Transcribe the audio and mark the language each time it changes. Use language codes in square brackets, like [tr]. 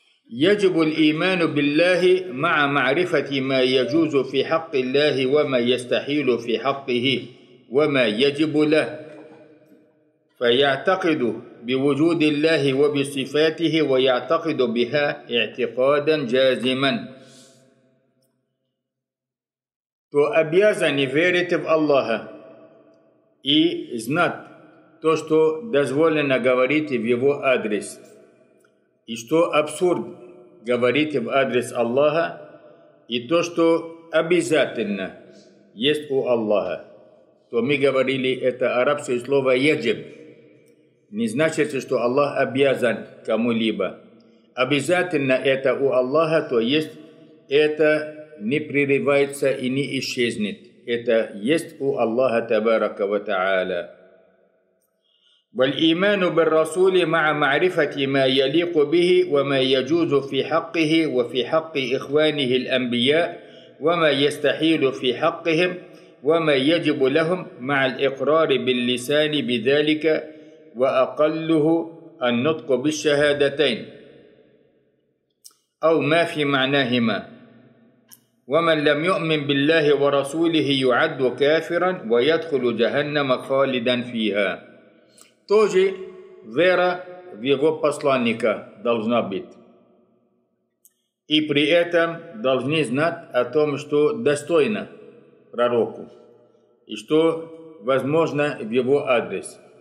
[ar] يجب الإيمان بالله مع معرفة ما يجوز في حق الله وما يستحيل في حقه. وما يجب له فيعتقد بوجود الله وبصفاته ويعتقد بها اعتقادا جازما [ru] то обязан верить в Аллаха и знать то, что дозволено говорить в его адрес и что абсурд говорить в адрес Аллаха и то, что обязательно есть у Аллаха. То мы говорили, это арабское слово «яджиб». Не значит, что Аллах обязан кому-либо. Обязательно это у Аллаха, то есть это не прерывается и не исчезнет. Это есть у Аллаха, табарака ва та'аля. [ar] وَالْإِيمَانُ بِالرَّسُولِ مَعَ مَعْرِفَةِ مَا يَلِيقُ بِهِ وَمَا يَجُوزُ فِي حَقِّهِ وَفِي حَقِّ إِخْوَانِهِ الْأَنْبِيَاءِ وَمَا يَسْتَحِيلُ فِي حَقِّهِمْ وما يجب لهم مع الإقرار باللسان بذلك وأقله النطق بالشهادتين أو ما في معناهما ومن لم يؤمن بالله ورسوله يعد كافرا ويدخل جهنم خالدا فيها [ru] тоже вера в его посланника должна быть и при этом должны знать о том что достойно пророку и что возможно в его адрес.